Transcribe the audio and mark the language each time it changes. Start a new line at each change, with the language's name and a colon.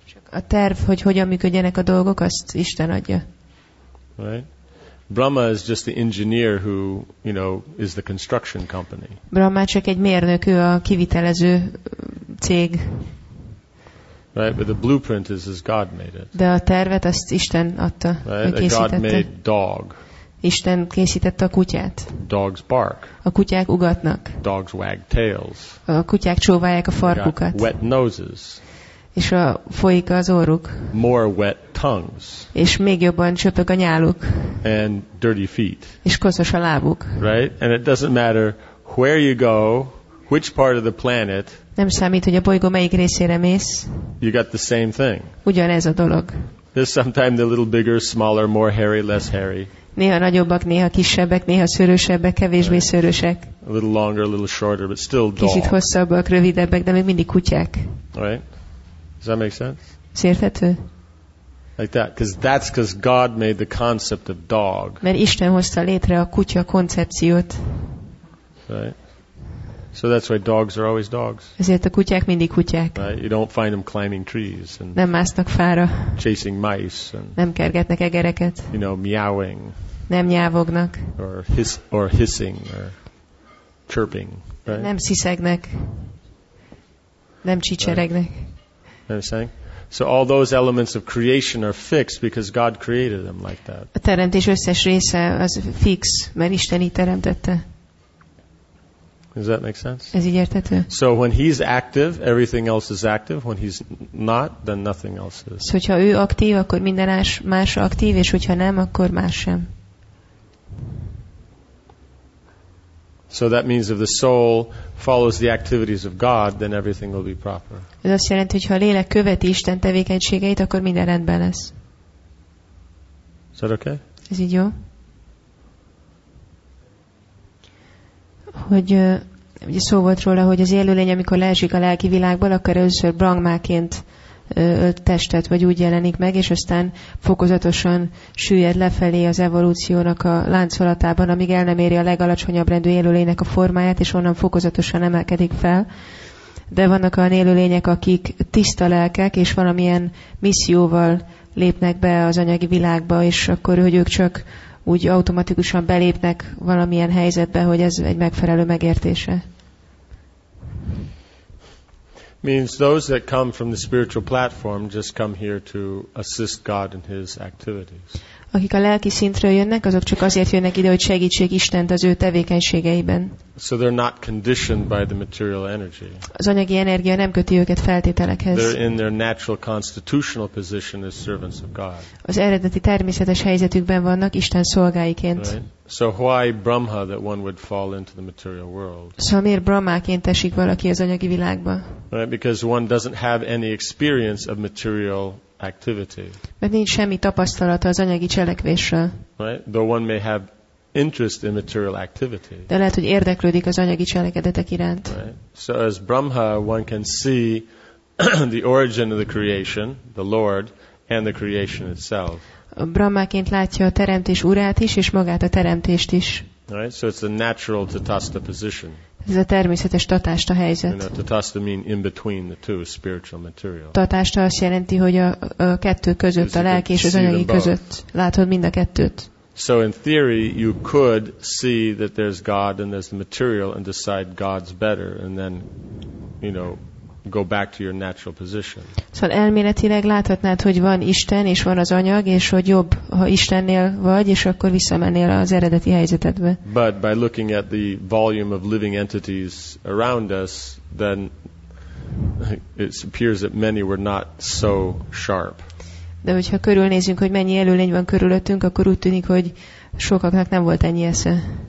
Hungarian: A terv, hogy hogyan működjenek a dolgok, azt Isten adja.
English: Right? Brahma is just the engineer who, you know, is the construction company.
Hungarian: Brahma csak egy mérnök, ő a kivitelező cég.
English: Right, but the blueprint is as God made it.
Hungarian: De a tervet azt Isten adta,
English: right?
Hungarian: Ő készítette.
English: A God made dog.
Hungarian: Isten készítette a kutyát.
English: Dogs bark.
Hungarian: A kutyák ugatnak.
English: Dogs wag tails.
Hungarian: A kutyák csóválják a farkukat.
English: Wet noses.
Hungarian: És a folyik az orruk.
English: More wet tongues.
Hungarian: És még jobban csöpög a nyáluk.
English: And dirty feet.
Hungarian: És koszos a lábuk.
English: Right? And it doesn't matter where you go, which part of the planet.
Hungarian: Nem számít, hogy a bolygó melyik részére mész.
English: You got the same thing.
Hungarian: Ugyanez a dolog.
English: They're sometimes a little bigger, smaller, more hairy, less hairy.
Hungarian: Néha nagyobbak, néha kisebbek, néha szőrösebbek, kevésbé szőrösek.
English: A little longer, a little shorter, but still dog.
Hungarian: Kicsit hosszabbak, rövidebbek, de még mindig kutyák.
English: Right? Does that make sense?
Hungarian: Szérthető?
English: Like that, because that's because God made the concept of dog.
Hungarian: Mert Isten hozta létre a kutya koncepciót.
English: Right? So that's why dogs are always dogs.
Hungarian: Ezért a kutyák mindig kutyák.
English: Right? You don't find them climbing trees and
Hungarian: nem másznak fára.
English: Chasing mice and
Hungarian: nem kergetnek egereket.
English: You know, meowing.
Hungarian: Nem nyávognak.
English: Or hissing or chirping. Right?
Hungarian: Nem sziszegnek. Nem csicseregnek.
English: Right. You know what I'm saying? So all those elements of creation are fixed because God created them like that.
Hungarian: A teremtés összes része az fix, mert Isten így teremtette.
English: Does that make sense?
Hungarian: Ez így érthető?
English: So when he's active, everything else is active. When he's not, then nothing else is.
Hungarian: So, hogyha ő aktív, akkor minden más aktív, és hogyha nem, akkor más sem.
English: So that means if the soul follows the activities of God, then everything will be proper.
Hungarian: Ez azt jelenti, hogyha a lélek követi Isten tevékenységeit, akkor minden rendben lesz.
English: Is that okay?
Hungarian: Ez így jó? Hogy ugye szó volt róla, hogy az élőlény, amikor leesik a lelki világból, akkor először brahmaként ölt testet, vagy úgy jelenik meg, és aztán fokozatosan süllyed lefelé az evolúciónak a láncolatában, amíg el nem éri a legalacsonyabb rendű élőlénynek a formáját, és onnan fokozatosan emelkedik fel. De vannak olyan élőlények, akik tiszta lelkek, és valamilyen misszióval lépnek be az anyagi világba, és akkor, hogy ők csak úgy automatikusan belépnek valamilyen helyzetbe, hogy ez egy megfelelő megértése.
English: Means those that come from the spiritual platform just come here to assist God in his activities.
Hungarian: Akik a lelki szintről jönnek, azok csak azért jönnek ide, hogy segítsék Istent az ő tevékenységeiben.
English: So they're not conditioned by the material energy.
Hungarian: Az anyagi energia nem köti őket feltételekhez.
English: They're in their natural constitutional position as servants of God.
Hungarian: Az eredeti természetes helyzetükben vannak Isten szolgáiként.
English: Right? So why Brahma that one would fall into the material world?
Hungarian: Szóval miért Brahmaként esik valaki az anyagi világba?
English: Right? Because one doesn't have any experience of material activity.
Hungarian: Mert nincs semmi tapasztalata az anyagi cselekvésről.
English: Right? Though one may have interest in material activity.
Hungarian: De lehet, hogy érdeklődik az anyagi cselekedetek iránt.
English: Right? So as Brahma, one can see the origin of the creation, the Lord, and the creation itself.
Hungarian: Brahmaként látja a teremtés urát is, és magát a teremtést is.
English: Right? So it's a natural tatasta position.
Hungarian: Ez a természetes tatásta helyzet.
English: You know, tatasta mean in between the two, spiritual material.
Hungarian: Tatásta azt jelenti, hogy a kettő között, a lelki és az anyagi között látod mind a kettőt.
English: So in theory you could see that there's God and there's the material and decide God's better and then, you know, go back to your natural position.
Hungarian: Szóval elméletileg láthatnád, hogy van Isten és van az anyag, és hogy jobb, ha Istennél vagy, és akkor visszamennél az eredeti helyzetedbe.
English: But by looking at the volume of living entities around us, then it appears that many were not so sharp.
Hungarian: De hogyha körülnézünk, hogy mennyi élőlény van körülöttünk, akkor úgy tűnik, hogy sokaknak nem volt ennyi esze.